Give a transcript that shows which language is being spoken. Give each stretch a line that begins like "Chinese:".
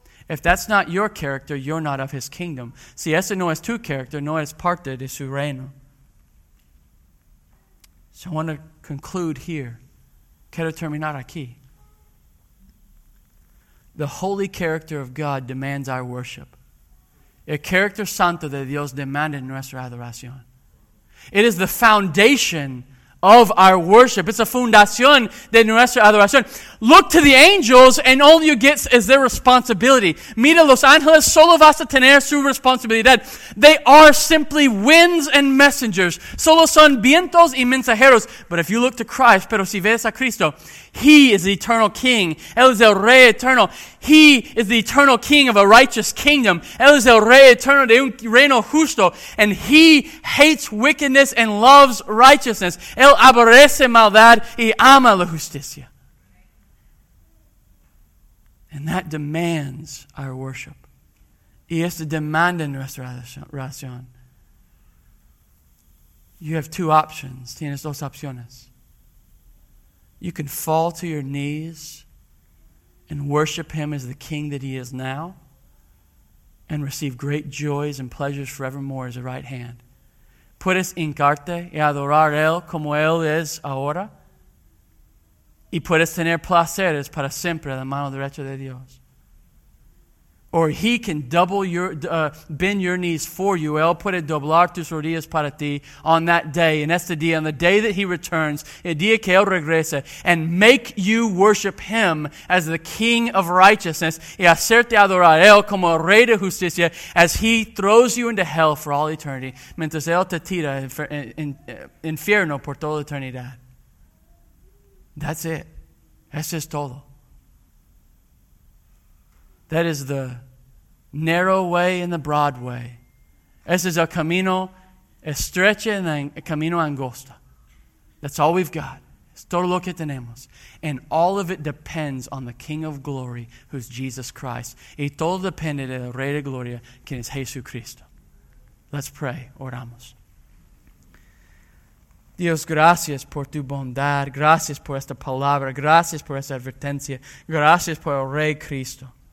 English: If that's not your character, you're not of his kingdom. Si ese no es tu character, no es parte de su reino. So I want to conclude here. Quiero terminar aquí. The holy character of God demands our worship.
Spanish: El carácter santo de Dios demanda nuestra adoración.
English: It is the foundation of our worship. It's a fundación de nuestra adoración. Look to the angels and all you get is their responsibility.
Spanish: Mira los ángeles, solo vas a tener su responsabilidad.
English: They are simply winds and messengers. Solo son vientos y mensajeros. But if you look to Christ, pero si ves a Cristo, he is the eternal king.
Spanish: Él es el rey eterno.
English: He is the eternal king of a righteous kingdom.
Spanish: Él es el rey eterno de un reino justo.
English: And he hates wickedness and loves righteousness.
Spanish: Él aborrece maldad y ama la justicia.
English: And that demands our worship. Y esto demanda nuestra oración. You have two options. Tienes dos opciones. You can fall to your knees and worship him as the king that he is now and receive great joys and pleasures forevermore as a right hand.
Spanish: Puedes hincarte y adorar él como él es ahora. Y puedes tener placeres para siempre en la mano derecha de Dios.
English: Or he can bend your knees for you.
Spanish: Él puede doblar tus rodillas para ti on that day. En este día, on the day that he returns, el día que él regresa, and make you worship him as the king of righteousness y hacerte adorar él como el rey de justicia as he throws you into hell for all eternity mientras él te tira en infierno por toda eternidad. That's it. Eso es todo.
English: That is the narrow way and the broad way.
Spanish: Ese es el camino estrecho y el camino angosto.
English: That's all we've got. Es todo lo que tenemos. And all of it depends on the King of Glory, who's Jesus Christ.
Spanish: Y todo depende del Rey de Gloria, quien es Jesucristo. Let's pray. Oramos. Dios, gracias por tu bondad, gracias por esta palabra, gracias por esta advertencia, gracias por el Rey Cristo.